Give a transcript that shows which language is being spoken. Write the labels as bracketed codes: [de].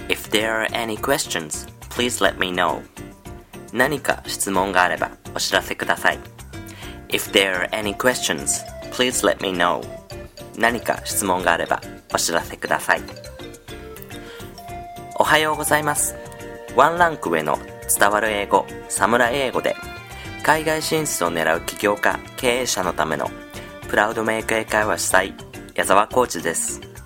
[en] there are any questions, please let me know. [ja] 何か質問があればお知らせください。 [en] If there are any questions, please let me know. [ja] 何か質問があればお知らせください。おはようございます。ワンランク上の伝わる英語、サムライ英語で、海外進出を狙う起業家、経営者のためのプラウドメイク英会話主催、矢沢コーチです。